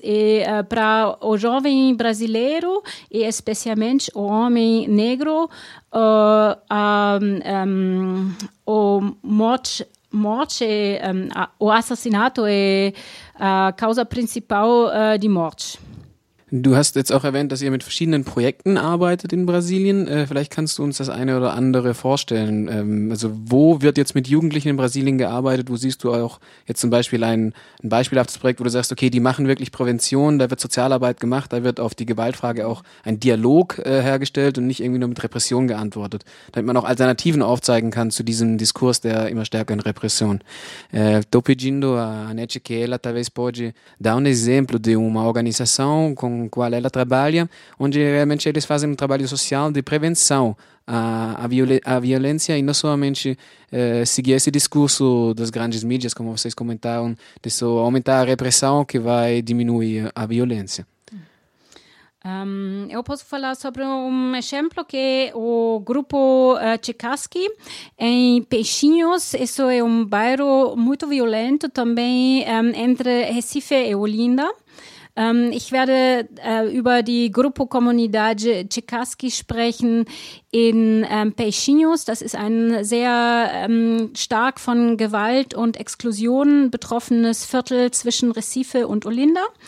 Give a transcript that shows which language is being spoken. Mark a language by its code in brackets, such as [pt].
[pt] E para o jovem brasileiro, e especialmente o homem negro, o assassinato é a causa principal de morte. [de] Du hast jetzt auch erwähnt, dass ihr mit verschiedenen Projekten arbeitet in Brasilien. Vielleicht kannst du uns das eine oder andere vorstellen. Also wo wird jetzt mit Jugendlichen in Brasilien gearbeitet? Wo siehst du auch jetzt zum Beispiel ein beispielhaftes Projekt, wo du sagst, okay, die machen wirklich Prävention, da wird Sozialarbeit gemacht, da wird auf die Gewaltfrage auch ein Dialog hergestellt und nicht irgendwie nur mit Repression geantwortet, damit man auch Alternativen aufzeigen kann zu diesem Diskurs der immer stärkeren Repression. [pt] Tô pedindo a Anete que ela talvez pode dar exemplo de uma organização com com qual ela trabalha, onde realmente eles fazem um trabalho social de prevenção à violência e não somente seguir esse discurso das grandes mídias, como vocês comentaram, de só aumentar a repressão que vai diminuir a violência. Eu posso falar sobre exemplo que o grupo Chikaski em Peixinhos. Isso é bairro muito violento também entre Recife e Olinda. [de] Ich werde über die Grupo Comunidade Chikaski sprechen in Peixinhos. Das ist ein sehr stark von Gewalt und Exklusion betroffenes Viertel zwischen Recife und Olinda.